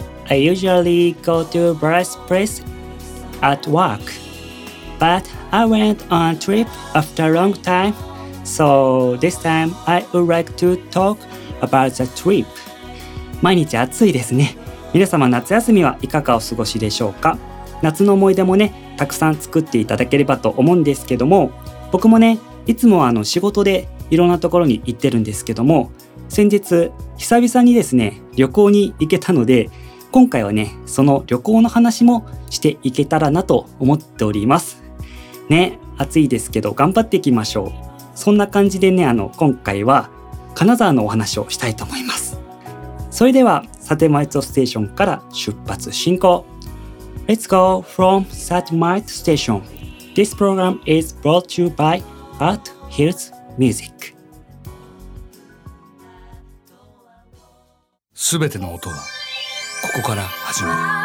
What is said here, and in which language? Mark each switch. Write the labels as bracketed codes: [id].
[en] I usually go to various places at work, but I went on a trip after a long time, so this time I would like to talk about the trip. [ja] 毎日暑いですね。皆様夏休みはいかがお過ごしでしょうか。夏の思い出もね、たくさん作っていただければと思うんですけども、僕もね、いつも仕事でいろんなところに行ってるんですけども、先日久々にですね、旅行に行けたので、今回はね、その旅行の話もしていけたらなと思っておりますね。暑いですけど頑張っていきましょう。そんな感じでね、今回は金沢のお話をしたいと思います。それではサテマイトステーションから出発進行。 [en] Let's go from Satemite Station. This program is brought to you by Art Hills Music. [ja] すべての音はここから始まる。